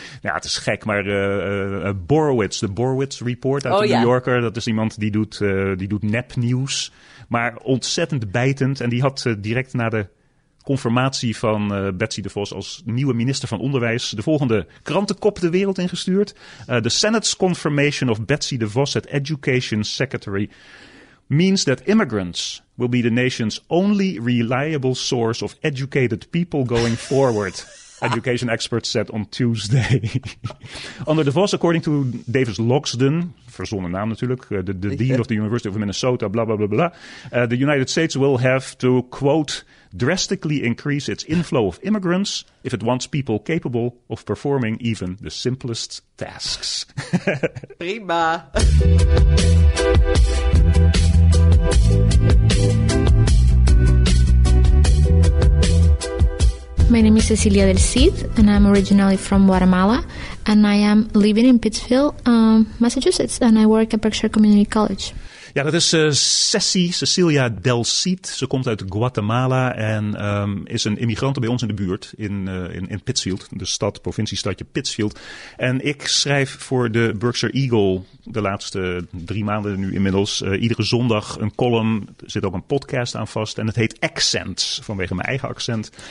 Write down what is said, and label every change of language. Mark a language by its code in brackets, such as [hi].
[nl] Ja, het is gek, maar Borowitz, de Borowitz Report uit New Yorker. Dat is iemand die doet nepnieuws, maar ontzettend bijtend. En die had direct na de confirmatie van Betsy de Vos als nieuwe minister van Onderwijs de volgende krantenkop de wereld ingestuurd. [en] The Senate's confirmation of Betsy de Vos as Education Secretary means that immigrants will be the nation's only reliable source of educated people going forward, education experts said on Tuesday. Under the Vos, according to Davis Logsdon, [nl] verzonnen naam natuurlijk, [en] the dean of the University of Minnesota, blah, blah, blah, blah, the United States will have to, quote, drastically increase its inflow of immigrants if it wants people capable of performing even the simplest tasks. [nl] Prima. [en] My name is Cecilia del Cid, and I'm originally from Guatemala, and I am living in Pittsfield, Massachusetts, and I work at Berkshire Community College. [nl] Ja, dat is Cecilia del Cid. Ze komt uit Guatemala en is een immigrant bij ons in de buurt in Pittsfield, de stad, provinciestadje Pittsfield. En ik schrijf voor de Berkshire Eagle de laatste 3 maanden nu inmiddels. Iedere zondag een column, er zit ook een podcast aan vast en het heet Accents, vanwege mijn eigen accent.